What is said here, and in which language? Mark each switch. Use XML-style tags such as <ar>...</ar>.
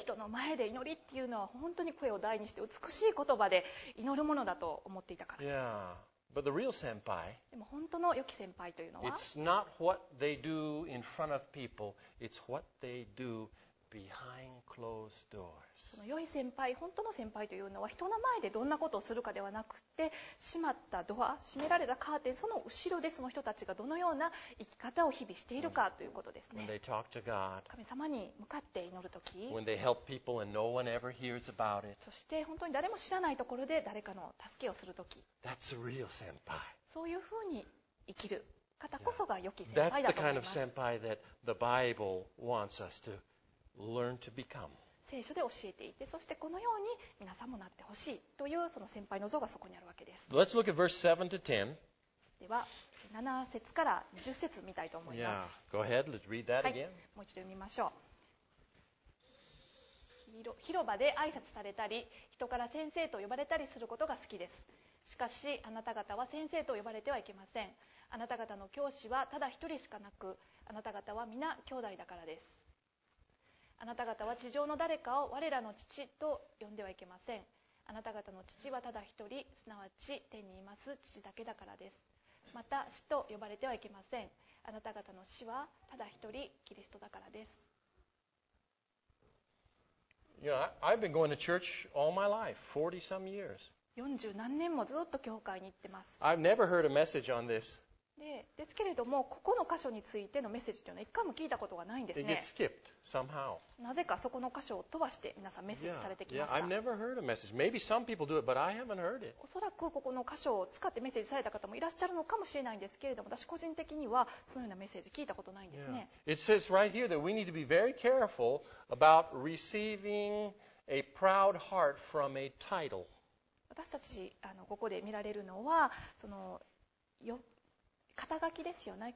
<ja>人の前で祈りっていうのは本当に声を大にして美しい言葉で祈るものだと思っていたからです。</ja> <en>Yeah. But the real senpai,</en> <ja>でも本当の良き先輩というのは</ja> <en>It's not what they do in front of people, it's what they do behind closed doors.</en> <ja>その良い先輩、本当の先輩というのは人の前でどんなことをするかではなくて閉まったドア、閉められたカーテン、その後ろでその人たちがどのような生き方を日々しているかということですね。</ja> <en>When they talk to God,</en> <ja>神様に向かって祈るとき</ja> <en>When they help people and no one ever hears about it,</en> <ja>そして本当に誰も知らないところで誰かの助けをするとき</ja> <en>That's a real senpai.</en> <ja>そういうふうに生きる方こそが良き先輩だと思います。</ja> <en>That's the kind of senpai that the Bible wants us to. Learn to become.</en> <ja>聖書で教えていて、そしてこのように皆さんもなってほしいというその先輩の像がそこにあるわけです。</ja> <en>Let's look at verse 7 to 10.</en> <ja>では7節から10節見たいと思います。</ja> <en>Yeah. Go ahead. Let's read that again.</en> <ja>はい、もう一度読みましょう。広場で挨拶されたり、人から先生と呼ばれたりすることが好きです。しかし、あなた方は先生と呼ばれてはいけません。あなた方の教師はただ一人しかなく、あなた方は皆兄弟だからです。あなた方は地上の誰かを我らの父と呼んではいけません。あなた方の父はただ一人、すなわち天にいます父だけだからです。また死と呼ばれてはいけません。あなた方の死はただ一人、キリストだからです。</ja> <en>You know, I've been going to church all my life, 40 some years.</en> <ja>40何年もずっと教会に行ってます。</ja> <en>I've never heard a message on this.</en> <ja>ですけれども、ここの箇所についてのメッセージというのは一回も聞いたことがないんですね。</ja> <en>It gets skipped somehow.</en> <ja>なぜかそこの箇所を飛ばして皆さんメッセージされてきました。</ja> <en>Yeah, I've never heard a message. Maybe some people do it, but I haven't heard it.</en> <ja>おそらくここの箇所を使ってメッセージされた方もいらっしゃるのかもしれないんですけれども、私個人的にはそのようなメッセージ聞いたことないんですね。</ja> <en>Yeah. It says right here that we need to be very careful about receiving a proud heart from a title.</en> <ja>私たちここで見られるのは、その肩書きですよね。</ja>